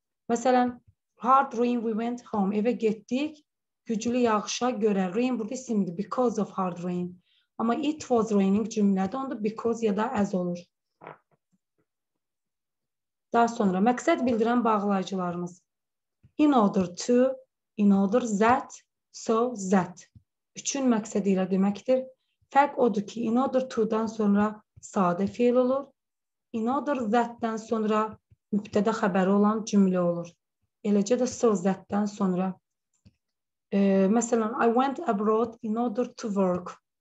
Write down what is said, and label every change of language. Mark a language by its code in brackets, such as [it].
[en] Məsələn, hard rain, we went home. [az] Evə getdik, güclü yağışa görə. Rain burada isimdir, [en] because of hard rain. [az] Amma [en] it was raining [az] cümlədə, onda because ya da as olur. Daha sonra, məqsəd bildirən bağlayıcılarımız. [en] In order to, in order that, so that. [az] Üçün məqsədi ilə deməkdir. Fərq odur ki, in order to-dan sonra sadə fiil olur. In order that-dən sonra mübtədə xəbəri olan cümlə olur. Eləcə də so that-dən sonra. Məsələn, [en] I went abroad in order to work.